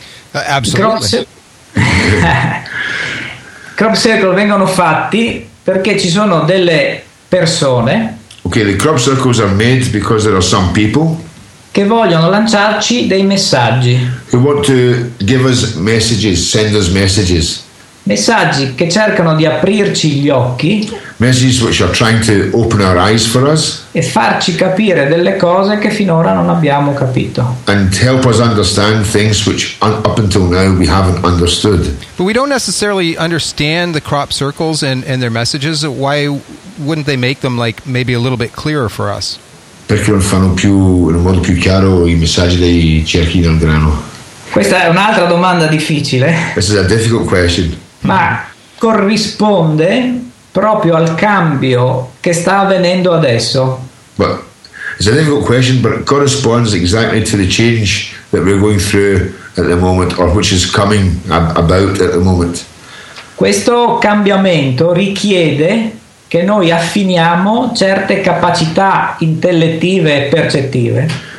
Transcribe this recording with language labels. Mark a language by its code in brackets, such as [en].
[en] Absolutely. [it] Crop circle vengono fatti perché ci sono delle persone. [en] Okay, the crop circles are made because there are some people [it] che vogliono lanciarci dei messaggi. [en] Who want to give us messages, send us messages. [it] Messaggi che cercano di aprirci gli occhi. [en] Messages which are trying to open our eyes for us. [it] E farci capire delle cose che finora non abbiamo capito. [en] And help us understand things which up until now we haven't understood. But we don't necessarily understand the crop circles and their messages. Why wouldn't they make them like maybe a little bit clearer for us? [it] Perché non fanno più in modo più chiaro i messaggi dei cerchi del grano? Questa è un'altra domanda difficile. [en] This is a difficult question. [it] Ma corrisponde proprio al cambio che sta avvenendo adesso. [en] But it's a difficult question, but it corresponds exactly to the change that we're going through at the moment, or which is coming about at the moment. [it] Questo cambiamento richiede che noi affiniamo certe capacità intellettive e percettive.